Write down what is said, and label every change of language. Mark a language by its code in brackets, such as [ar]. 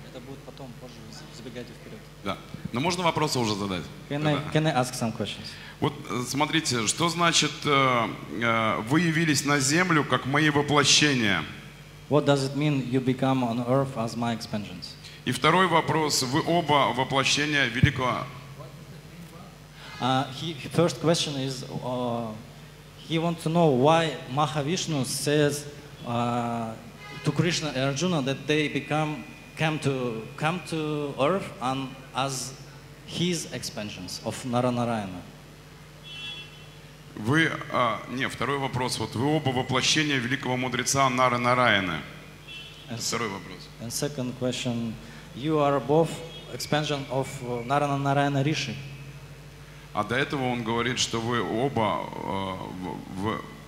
[ru] Это будет потом, позже, забегайте вперед. Да. Но можно вопросы уже задать? [en] Can I ask some questions? [ru] Вот смотрите, что значит вы явились на землю как мои воплощения? [en] What does it mean you become on earth as my expansions? [ru] И второй вопрос, вы оба воплощения великого. [en] First question is, he wants to know why Mahavishnu says to Krishna and Arjuna that they come to earth and as his expansions of Naranarayana. [ru] Вы, не, второй вопрос, вот вы оба воплощения великого мудреца Наранараяны. Второй вопрос. [en] And second question, you are both expansion of Naranarayana Rishi. [ru] А до этого он говорит, что вы оба в.